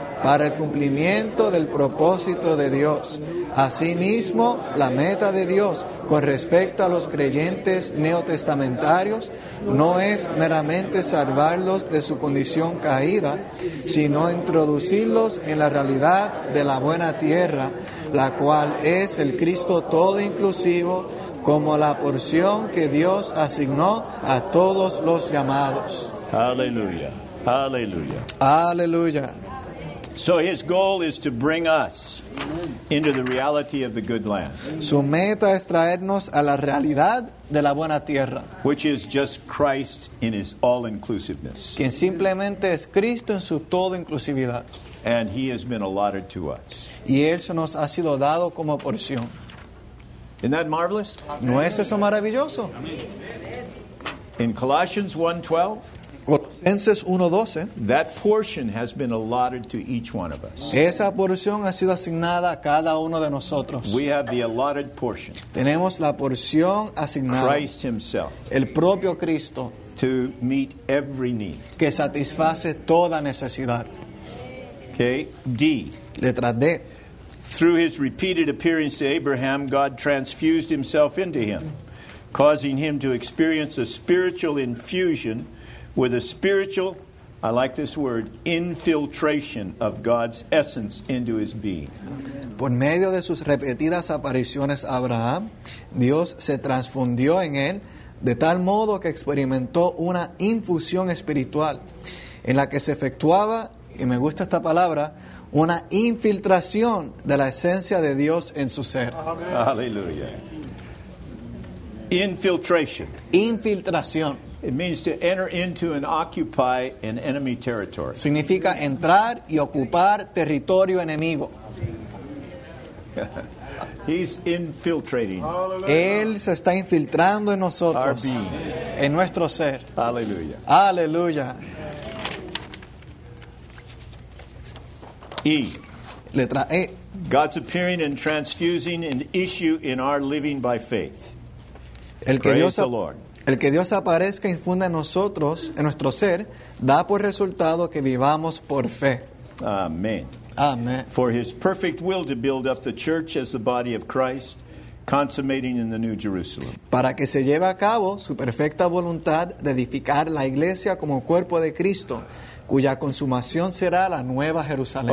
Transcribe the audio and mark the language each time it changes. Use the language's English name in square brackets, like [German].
[Spanish] para el cumplimiento del propósito de Dios. Asimismo, la meta de Dios con respecto a los creyentes neotestamentarios no es meramente salvarlos de su condición caída, sino introducirlos en la realidad de la buena tierra, la cual es el Cristo todo inclusivo, como la porción que Dios asignó a todos los llamados. Aleluya. Aleluya. Aleluya. [English] So his goal is to bring us into the reality of the good land. [Spanish] Su meta es traernos a la realidad de la buena tierra. [English] Which is just Christ in his all-inclusiveness. [Spanish] Quien simplemente es Cristo en su toda inclusividad. [English] And he has been allotted to us. [Spanish] Y él se nos ha sido dado como porción. [English] Isn't that marvelous? [Spanish] ¿No es eso maravilloso? [English] In Colossians 1:12, [Spanish] Colosenses 1:12, [English] that portion has been allotted to each one of us. [Spanish] Esa porción ha sido asignada a cada uno de nosotros. [English] We have the allotted portion. [Spanish] Tenemos la porción asignada. [English] Christ himself. [Spanish] El propio Cristo. [English] To meet every need. [Spanish] Que satisface toda necesidad. [English] Okay, D. [Spanish] Letra D. [English] Through his repeated appearance to Abraham, God transfused himself into him, causing him to experience a spiritual infusion with a spiritual, I like this word, infiltration of God's essence into his being. [Spanish] Por medio de sus repetidas apariciones a Abraham, Dios se transfundió en él de tal modo que experimentó una infusión espiritual en la que se efectuaba, y me gusta esta palabra, una infiltración de la esencia de Dios en su ser. [English] Aleluya. Infiltration. [Spanish] Infiltración. [English] It means to enter into and occupy an enemy territory. [Spanish] Significa entrar y ocupar territorio enemigo. [English] He's infiltrating. [Spanish] Él se está infiltrando en nosotros. [English] Our being. [Spanish] En nuestro ser. Aleluya. Aleluya. [English] E. [Spanish] Letra E. [English] God's appearing and transfusing an issue in our living by faith. [Spanish] El que [English] Praise [Spanish] Dios, [English] the Lord. [Spanish] El que Dios aparezca e infunda en nosotros, en nuestro ser, da por resultado que vivamos por fe. [English] Amen. [Spanish] Amen. [English] For his perfect will to build up the church as the body of Christ, consummating in the New Jerusalem. [Spanish] Para que se lleve a cabo su perfecta voluntad de edificar la iglesia como cuerpo de Cristo, cuya consumación será la nueva Jerusalén.